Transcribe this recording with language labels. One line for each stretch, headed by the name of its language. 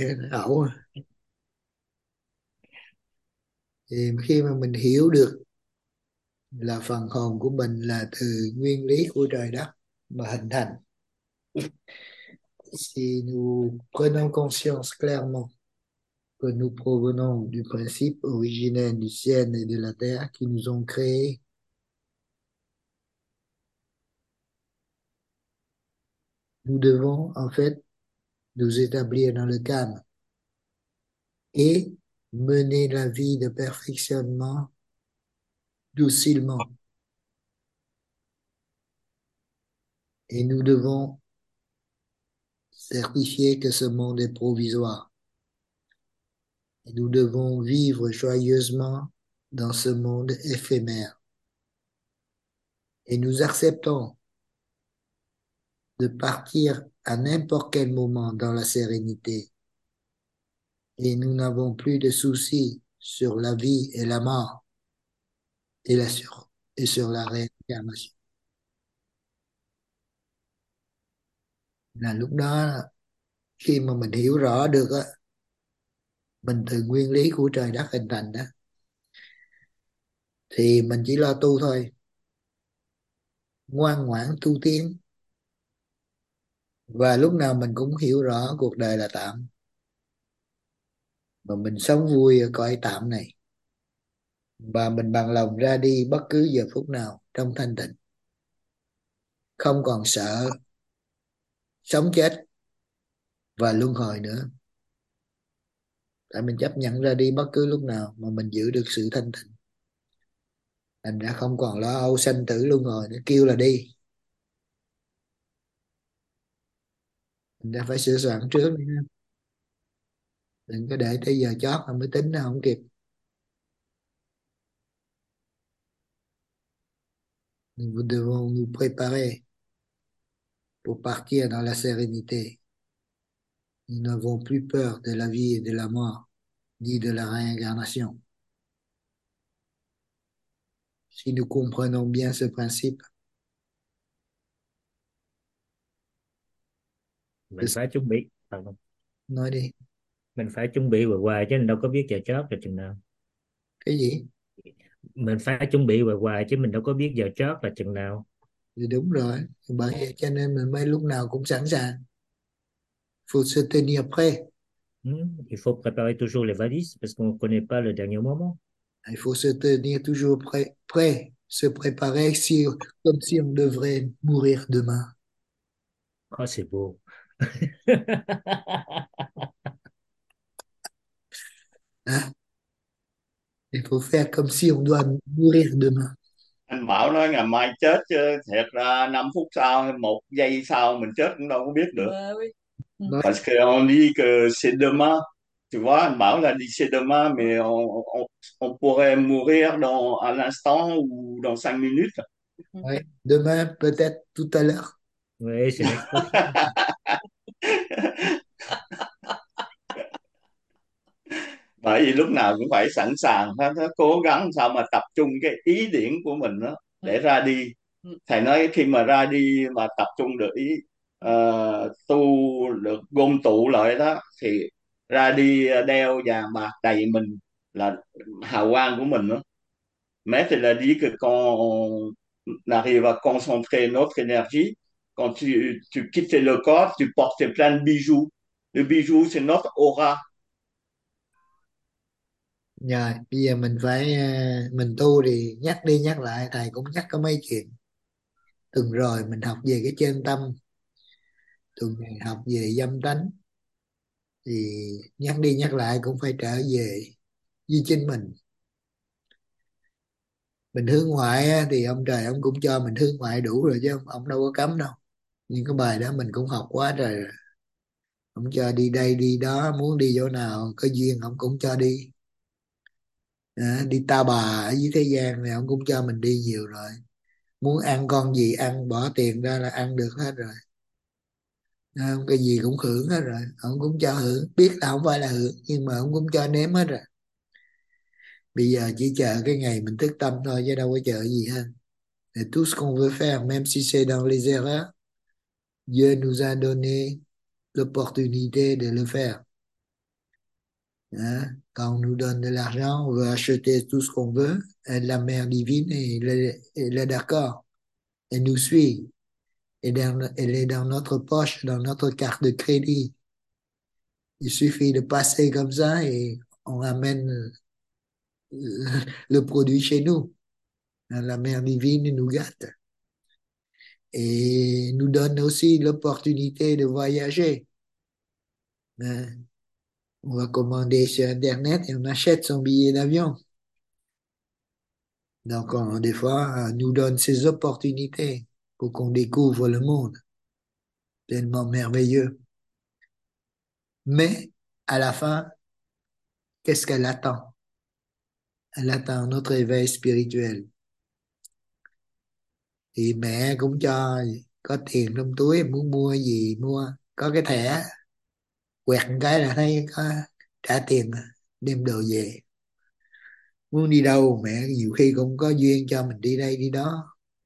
Vietnamese: Ảo thì khi mà mình hiểu được là phần hồn của mình là từ nguyên lý của trời đất mà hình thành
French: si nous prenons conscience clairement que nous provenons du principe originel du ciel et de la terre qui nous ont créés. Nous devons en fait nous établir dans le calme et mener la vie de perfectionnement docilement. Et nous devons certifier que ce monde est provisoire. Et nous devons vivre joyeusement dans ce monde éphémère. Et nous acceptons de partir à n'importe quel moment dans la sérénité. Et nous n'avons plus de soucis sur la vie et la mort et sur la réincarnation.
Vietnamese: Là lúc đó, khi mà mình hiểu rõ được á, mình từ nguyên lý của trời đất hình thành đó, thì mình chỉ lo tu thôi, ngoan ngoãn tu tiến. Và lúc nào mình cũng hiểu rõ cuộc đời là tạm. Mà mình sống vui ở cõi tạm này. Và mình bằng lòng ra đi bất cứ giờ phút nào trong thanh tịnh. Không còn sợ sống chết và luân hồi nữa. Tại mình chấp nhận ra đi bất cứ lúc nào mà mình giữ được sự thanh tịnh. Thành ra không còn lo âu sanh tử luân hồi nữa, kêu là đi. Mình đã phải sửa soạn trước đi nha. Đừng có để tới giờ chót mà mới tính nó không kịp.
French: Nous devons nous préparer pour partir dans la sérénité. Nous n'avons plus peur de la vie et de la mort, ni de la réincarnation. Si nous comprenons bien ce principe,
Vietnamese: Mình phải chuẩn bị không? nói đi. Mình phải chuẩn bị hoài chứ mình đâu có biết giờ chót là chừng nào. Cái gì? Mình phải chuẩn bị hoài chứ mình đâu có biết giờ chót là chừng nào. Thì đúng rồi, bởi vậy cho nên mình mới lúc nào cũng sẵn sàng.
French: Faut se tenir prêt. Il faut préparer toujours les valises parce qu'on ne connaît pas le dernier moment. Il faut se tenir toujours prêt, se préparer si, comme si on devrait mourir demain. Oh, c'est beau. Hein? Il faut faire comme si on doit mourir demain.
Vietnamese: anh bảo nói ngày mai chết chứ thiệt ra 5 phút sau hay 1 giây sau mình chết cũng đâu có biết được.
French: Oui. Parce qu'on dit que c'est demain. Tu vois,
Vietnamese: anh bảo là đi
French: c'est demain, mais on pourrait mourir dans un instant ou dans 5 minutes. Ouais, demain, peut-être tout à l'heure. Oui, c'est l'expression.
Vietnamese: Vì lúc nào cũng phải sẵn sàng, cố gắng sao mà tập trung cái ý điển của mình đó để ra đi. Thầy nói khi mà ra đi mà tập trung được ý, tu được gom tụ lại đó, thì ra đi đeo vàng bạc đầy mình là hào quang của mình đó.
French: Mais c'est là dit que quand on arrive à concentrer notre énergie, quand tu quittes le corps, tu portes plein de bijoux. Le bijou, c'est notre aura.
Vietnamese: Rồi, bây giờ mình phải mình tu thì nhắc đi nhắc lại, thầy cũng nhắc có mấy chuyện. Tuần rồi mình học về cái chân tâm. Tuần này học về dâm tánh. Thì nhắc đi nhắc lại cũng phải trở về với chính mình. Mình hướng ngoại thì ông trời ông cũng cho mình hướng ngoại đủ rồi chứ ông đâu có cấm đâu. Nhưng cái bài đó mình cũng học quá trời rồi. Ông cho đi đây đi đó, muốn đi chỗ nào có duyên ông cũng cho đi. À, đi ta bà ở dưới thế gian này ông cũng cho mình đi nhiều rồi, muốn ăn con gì ăn bỏ tiền ra là ăn được hết rồi, à, cái gì cũng hưởng hết rồi, ông cũng cho hưởng, biết là không phải là hưởng nhưng mà ông cũng cho nếm hết rồi. Bây giờ chỉ chờ cái ngày mình thức tâm thôi chứ đâu có chờ gì hơn.
French: Et tout ce qu'on veut faire, même si c'est dans les erreurs, Dieu nous a donné l'opportunité de le faire. Hein? Quand on nous donne de l'argent, on veut acheter tout ce qu'on veut. Et la mère divine, elle est d'accord. Elle nous suit. Elle est dans notre poche, dans notre carte de crédit. Il suffit de passer comme ça et on amène le produit chez nous. La mère divine nous gâte. Et nous donne aussi l'opportunité de voyager. Hein? On va commander sur Internet et on achète son billet d'avion. Donc, des fois, nous donne ces opportunités pour qu'on découvre le monde. Tellement merveilleux. Mais, à la fin, qu'est-ce qu'elle attend? Elle attend notre éveil spirituel.
Vietnamese: Thì mẹ cũng cho có tiền trong túi, muốn mua gì mua, có cái thẻ. Quẹt cái là thấy có trả tiền đem đồ về. Muốn đi đâu mẹ nhiều khi cũng có duyên cho mình đi đây đi đó.